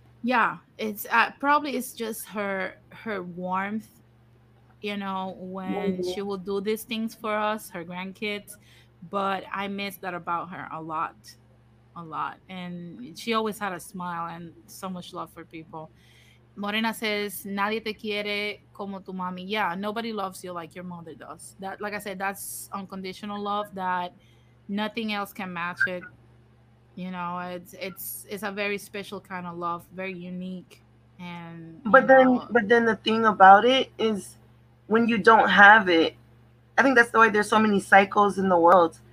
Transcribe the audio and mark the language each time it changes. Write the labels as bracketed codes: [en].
[en] Yeah, it's probably it's just her warmth, you know, when mm-hmm, she will do these things for us, her grandkids. But I miss that about her a lot. And she always had a smile and so much love for people. Morena says, [es] nadie te quiere como tu mami. [en] Yeah, nobody loves you like your mother does. That, like I said, that's unconditional love that nothing else can match it. You know, it's a very special kind of love, very unique. But then the thing about it is when you don't have it, I think that's why there's so many cycles in the world.